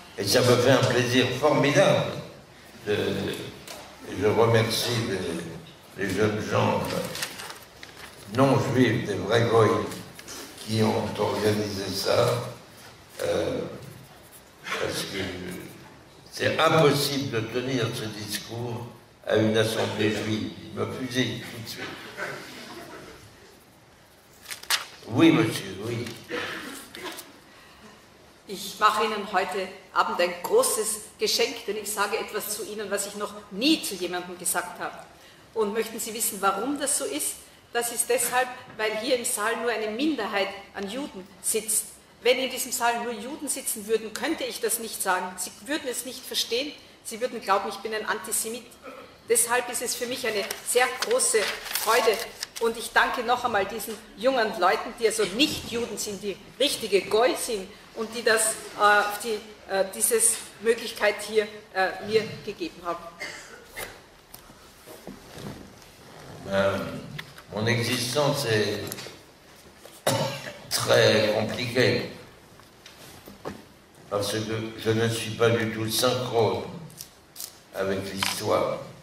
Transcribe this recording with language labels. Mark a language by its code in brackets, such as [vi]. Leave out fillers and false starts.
[fr] Et ça me fait un plaisir formidable. Je remercie les jeunes gens non juifs, des vrais goïs, qui ont organisé ça. Parce que c'est impossible de tenir ce discours à une assemblée juive. Il me fusille tout de suite. Oui, monsieur, oui. [de] Ich mache Ihnen heute Abend ein großes Geschenk, denn ich sage etwas zu Ihnen, was ich noch nie zu jemandem gesagt habe. Und möchten Sie wissen, warum das so ist? Das ist deshalb, weil hier im Saal nur eine Minderheit an Juden sitzt. Wenn in diesem Saal nur Juden sitzen würden, könnte ich das nicht sagen. Sie würden es nicht verstehen. Sie würden glauben, ich bin ein Antisemit. Deshalb ist es für mich eine sehr große Freude. Und ich danke noch einmal diesen jungen Leuten, die also nicht Juden sind, die richtige Goy sind und die das, diese Möglichkeit hier mir gegeben haben. [fr] Mon existence est très compliqué parce que je ne suis pas du tout synchro avec l'histoire.